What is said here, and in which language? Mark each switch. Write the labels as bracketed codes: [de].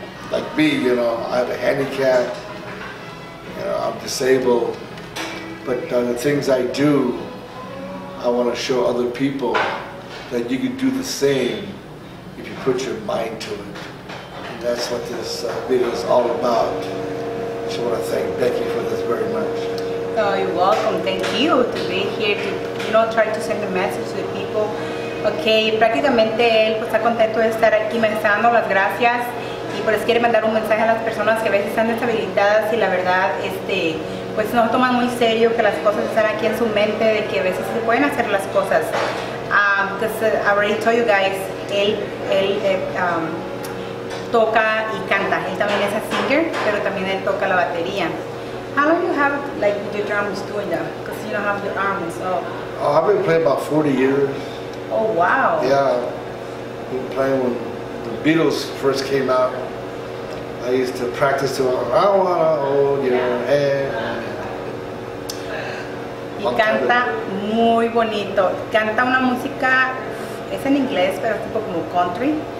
[en] Like me, you know, I have a handicap, you know, I'm disabled, but the things I do, I want to show other people that you can do the same if you put your mind to it. And that's what this video is all about. I just want to thank Becky for this very much. Oh, you're welcome. Thank you to be here to, you know, try to send a message to the people. [es] Okay, prácticamente él pues está contento de estar aquí, me está dando las gracias y pues quiere mandar un mensaje a las personas que a veces están deshabilitadas y la verdad, pues no toman muy serio que las cosas están aquí en su mente, de que a veces se pueden hacer las cosas. [en] Because I already told you guys, [es] él toca y canta. Él también es a singer, pero también él toca la batería. [en] How long do you have, like, with your drums doing that? Because you don't have your arms, so... Oh, I've been playing about 40 years. Oh, wow. Yeah. Been playing when the Beatles first came out. I used to practice to, I wanna hold your hand. [es] Y canta muy bonito. Canta una música, es en inglés, pero tipo como country.